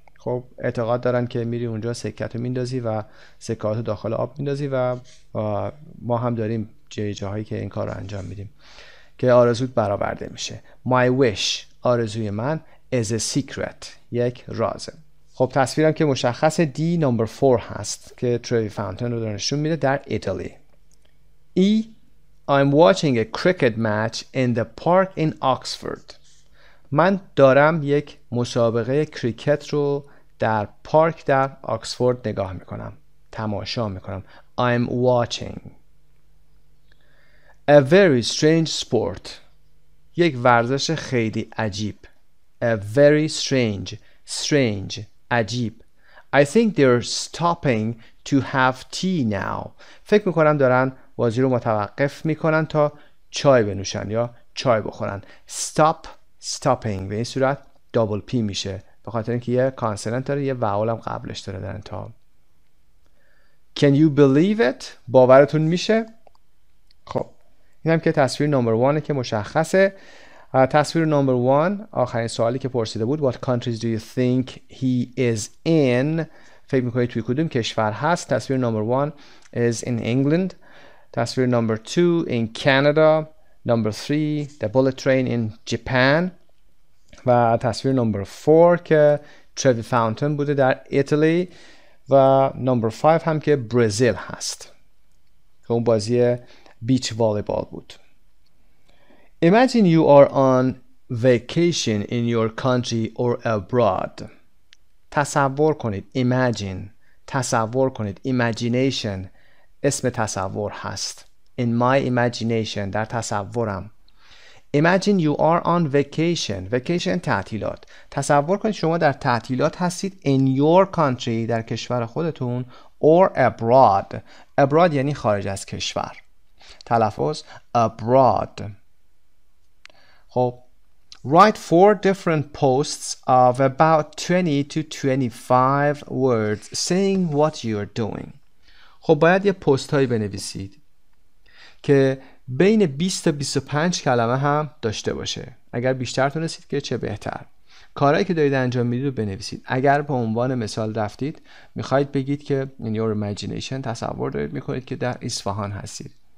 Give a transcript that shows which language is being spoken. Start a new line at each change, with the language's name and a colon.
Persian: خب اعتقاد دارن که میری اونجا سکه‌تو میندازی و سکه‌هاتو داخل آب میندازی و ما هم داریم جاهایی که این کار رو انجام میدیم که آرزوت برآورده میشه.
English: My wish،
Persian: آرزوی من،
English: is a secret،
Persian: یک رازه. خب تصویرم که مشخص D number 4 هست که Trevi fountain رو نشون میده در ایتالی.
English: E، I'm watching a cricket match in the park in Oxford.
Persian: من دارم یک مسابقه کریکت رو در پارک در آکسفورد نگاه میکنم، تماشا میکنم.
English: I'm watching. A very strange sport،
Persian: یک ورزش خیلی عجیب.
English: A very strange، strange، عجیب. I think they're stopping to have tea now.
Persian: فکر میکنم دارن بازی رو متوقف میکنن تا چای بنوشن یا چای بخورن. Stop، stopping به این صورت دابل پی میشه به خاطر اینکه یه کانسونانت داره، یه واول هم قبلش داره در انتها.
English: Can you believe it؟
Persian: باورتون میشه؟ خب اینم که تصویر نمبر 1 که مشخصه. تصویر نمبر 1 آخرین سوالی که پرسیده بود،
English: What countries do you think he is in؟
Persian: فکر میکنید توی کدوم کشور هست؟ تصویر نمبر 1
English: is in England.
Persian: تصویر نمبر
English: 2 in Canada. Number 3، the bullet train in Japan.
Persian: و تصویر number 4 که Trevi fountain بوده در ایتالی. و number 5 هم که برزیل هست، که اون بازی بیچ والیبال بود.
English: Imagine you are on vacation in your country or abroad.
Persian: تصور کنید. Imagine، تصور کنید. Imagination اسم تصور هست.
English: In my imagination،
Persian: در تصورم.
English: Imagine you are on vacation. Vacation تعطیلات.
Persian: تصور کنید شما در تعطیلات هستید.
English: In your country،
Persian: در کشور خودتون.
English: Or abroad.
Persian: Abroad یعنی خارج از کشور. تلفظ abroad.
English: خب write 4 different posts of about 20 to 25 words saying what you're doing.
Persian: خب باید یه پست هایی بنویسید که بین 20 تا 25 کلمه هم داشته باشه. اگر بیشتر تونستید که چه بهتر. کارهایی که دارید انجام میدید رو بنویسید. اگر به عنوان مثال رفتید، میخواید بگید که
English: in your imagination
Persian: تصور دارید میکنید که در اصفهان هستید.